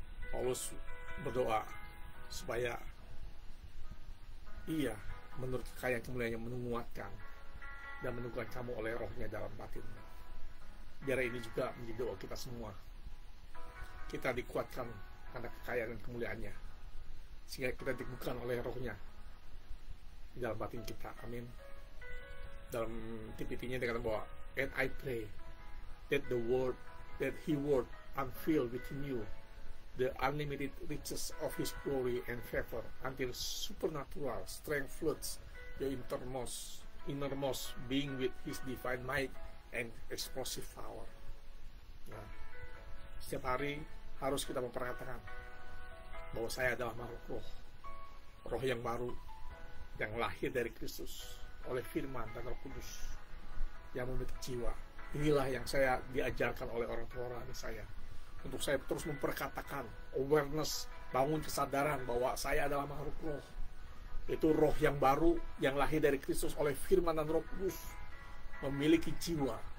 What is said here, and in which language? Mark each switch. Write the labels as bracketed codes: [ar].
[id] Paulus berdoa supaya ia menurut kekayaan kemuliaannya menguatkan dan menguatkan kamu oleh Roh-Nya dalam batinmu. Biar ini juga menjadi doa kita semua. Kita dikuatkan karena kekayaan dan kemuliaannya, sehingga kita dibukakan oleh Roh-Nya dalam batin kita. Amin. Dalam TPT-nya dia kata bahwa, [en] "And I pray that the word that he would unfill within you the unlimited riches of his glory and favor until supernatural strength floods your innermost being with his divine might and explosive power." [id] Nah, setiap hari harus kita memperkatakan bahwa saya adalah makhluk roh yang baru, yang lahir dari Kristus oleh firman dan Roh Kudus yang memiliki jiwa. Inilah yang saya diajarkan oleh orang tua rohani saya, untuk saya terus memperkatakan awareness, bangun kesadaran bahwa saya adalah makhluk roh, itu roh yang baru yang lahir dari Kristus oleh firman dan Roh Kudus, memiliki jiwa.